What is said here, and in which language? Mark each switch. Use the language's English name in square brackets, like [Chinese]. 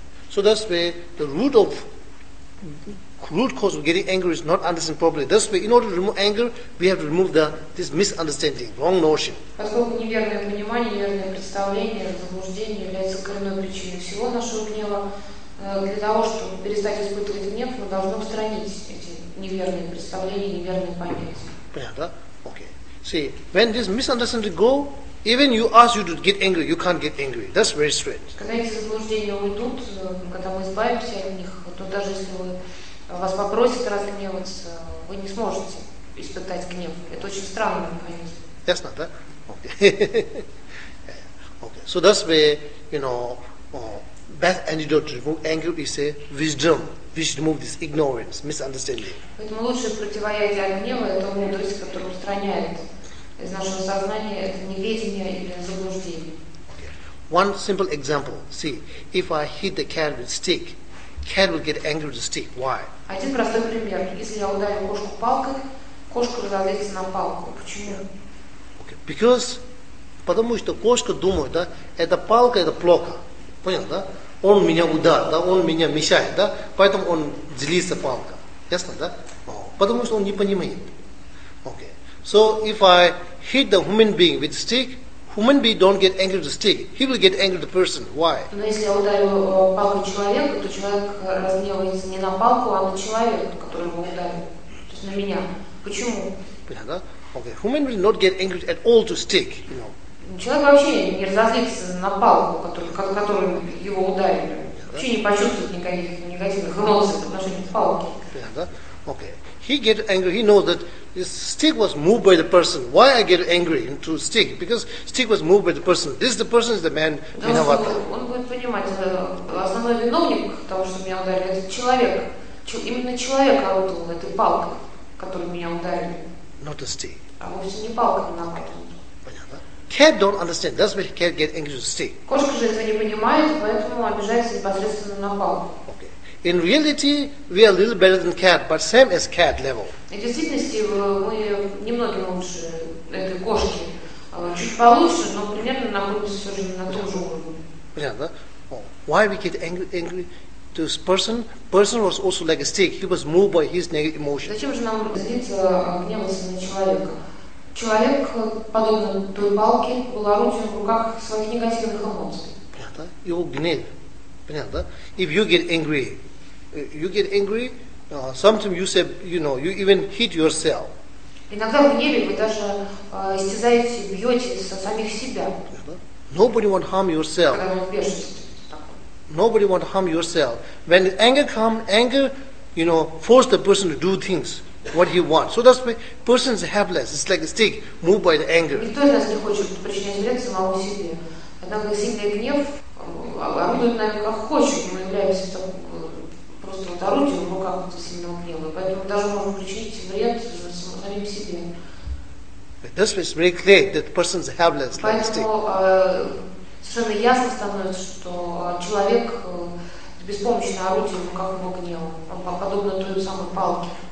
[English] So that's where the root of root cause of getting angry is not understood properly. That's where, in order to remove anger, we have to remove the this misunderstanding, wrong notion. [Russian] Поскольку неверное понимание, неверное представление, заблуждение является коренной причиной всего нашего гнева, для того чтобы перестать испытывать гнев, мы должны устранить эти неверные представления, неверные понятия. Понятно? [English] Okay. See, when this misunderstanding go, even you ask you to get angry, you can't get angry. That's very strange. [Russian] Когда эти заблуждения уйдут, когда мы избавимся от них, то даже если вы вас попросят разгневаться, вы не сможете испытать гнев. Это очень странно, понимаете? Ясно, да? [English] Okay. Okay. So that's where, you know, best antidote to remove anger is a wisdom. We should remove this ignorance, misunderstanding. [Russian] Поэтому лучшее противоядие от гнева – это мудрость, которая устраняет из нашего сознания это неведение или заблуждение. [English] Okay. One simple example. See, if I hit the cat with stick, cat will get angry with the stick. Why? [Russian] Один простой пример. Если я ударю кошку палкой, кошка разозлится на палку. Почему? [English] Okay. Because, [Russian] потому что кошка думает, да, это палка, это плохо. Понял, да? Он меня ударит, да? Он меня мешает, да? Поэтому он злится палка. Ясно, да? Oh. Потому что он не понимает. [English] Okay. So if I hit the human being with stick, human being don't get angry with the stick. He will get angry with the person. Why? [Russian] Но если я ударю палкой человека, то человек разгневается не на палку, а на человека, который его ударил. То есть на меня. Почему? Понятно, да? [English] Okay. Human will not get angry at all to stick, you know. [Russian] Человек вообще не разозлится на палку, которую его ударили. Вообще не почувствует никаких негативных эмоций в отношении палки. Да? [English] Okay. He gets angry, he knows that this stick was moved by the person. Why I get angry into stick? Because stick was moved by the person. This the person is the man [Russian] виновата. Он будет понимать, основной виновник того, что меня ударили, это человек. Именно человек орудовал этой палкой, которую меня ударили. [English] Not the stick. [Russian] А вовсе не палка виновата. [English] Cat don't understand. That's why cat get angry with stick. [Russian] Кошка же этого не понимает, поэтому обижается непосредственно на палку. [English] Okay. In reality, we are a little better than cat, but same as cat level. [Russian] И в действительности мы немногим лучше этой кошки, чуть получше, но примерно находимся все же на том же уровне. Понятно? [English] Oh. Why we get angry to this person? Person was also like a stick. He was moved by his negative emotion. [Russian] Зачем же нам злиться, гневаться на человека? Человек, подобно той палке, был орудием в руках своих негативных эмоций. Понятно? Его гнев. Понятно? [English] If you get angry, sometimes you say, you know, you even hit yourself. [Russian] Иногда в гневе вы даже истязаете, бьете со самих себя. Понятно? [English] Nobody want harm yourself. [Russian] Когда вы в бешенстве. [English] Nobody want harm yourself. When anger comes, anger, you know, force the person to do things. What he wants. So that's why person is helpless. It's like a stick moved by the anger. [Russian] Никто из нас не хочет причинять вред самому себе. Однако сильный гнев орудует нами как хочет. Мы являемся там, просто вот орудием в руках этого сильного гнева. Поэтому даже можем причинить вред самому себе. [English] But that's why it's very clear that person is helpless. [Russian] Поэтому [English] like a stick. [Russian] Совершенно ясно становится, что человек беспомощное орудие в руках его гнева. Он подобно той самой палке.